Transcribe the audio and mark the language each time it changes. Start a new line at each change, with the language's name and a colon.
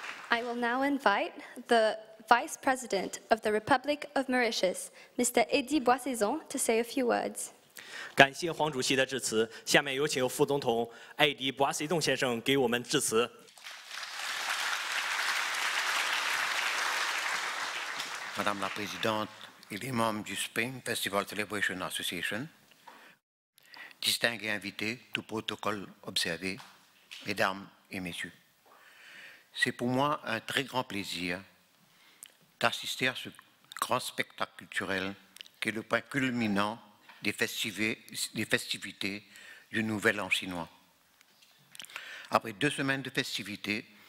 English: I will now invite the Vice President of the Republic of Mauritius, Mr. Eddie Boissaison, to say a few words.
Chinese: 感谢黄主席的致辞，下面有请副总统艾迪·博阿西东先生给我们致辞。
French: Madame la Présidente et les membres du Spring Festival Celebration Association, distingués invités, tout protocole observé, mesdames et messieurs. C'est pour moi un très grand plaisir d'assister à ce grand spectacle culturel qui est le point culminant des festivités du Nouvel An chinois. Après deux semaines de festivités,